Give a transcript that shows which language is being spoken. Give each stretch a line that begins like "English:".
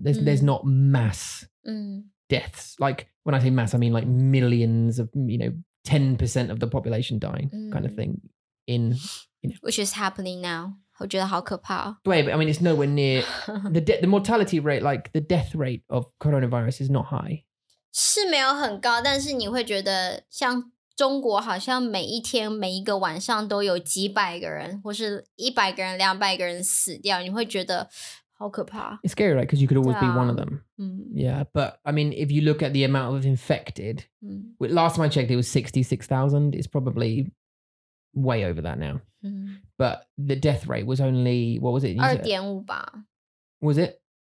English: There's not mass deaths. Like when I say mass, I mean like millions of, you know, 10% of the population dying kind of thing in, you know. Which is happening now.
Chinese: 我觉得好可怕。
English: Wait, but I mean, it's nowhere near, the mortality rate, like the death rate of coronavirus is not high.
Chinese: 是没有很高,但是你会觉得像中国好像每一天每一个晚上都有几百个人, 或是100个人,200个人死掉, 你会觉得,
English: it's scary, right? Because you could always be one of them. Mm. Yeah, but I mean, if you look at the amount of infected, last time I checked, it was 66,000. It's probably way over that now. But the death rate was only, what was it? 2.5%. Was it?